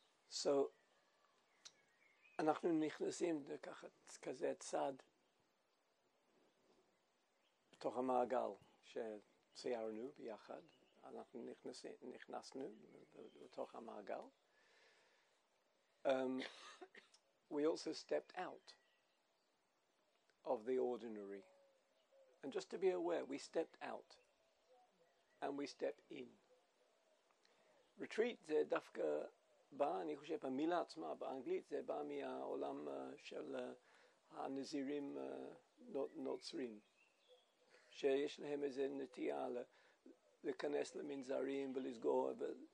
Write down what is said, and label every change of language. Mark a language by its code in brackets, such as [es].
[he] So, אנחנו נכנסים לקחת כזה צד בתוך המעגל שציירנו ביחד. אנחנו נכנסנו לתוך המעגל. [en] We also stepped out of the ordinary. And just to be aware, we stepped out and we step in. [he] Retreat זה דווקא בא, אני חושב, המילה עצמה באנגלית, זה בא מהעולם של הנזירים נוצרים, שיש להם איזה נטייה ל... להיכנס למנזרים ולסגור. ו...